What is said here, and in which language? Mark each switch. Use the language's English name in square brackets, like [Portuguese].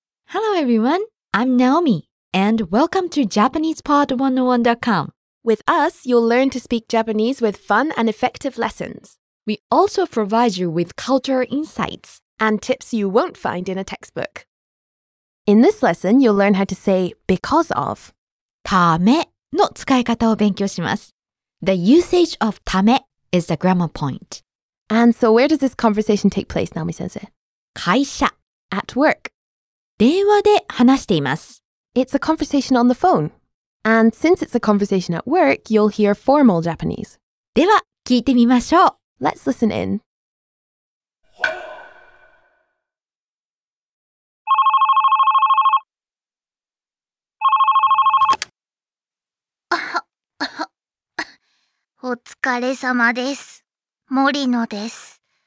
[English] Hello everyone, I'm Naomi, and welcome to JapanesePod101.com. With us, you'll learn to speak Japanese with fun and effective lessons. We also provide you with cultural insights and tips you won't find in a textbook. In this lesson, you'll learn how to say because of. [Japanese] ための使い方を勉強します。 [English] The usage of ため is the grammar point. And so where does this conversation take place, Naomi-sensei? [Japanese] 会社。 [English] At work. [Japanese] 電話で話しています。 [English] It's a conversation on the phone. And since it's a conversation at work, you'll hear formal Japanese. [Japanese] では、聞いてみましょう。 [English] Let's listen in. [Japanese] お疲れ様です。森野です。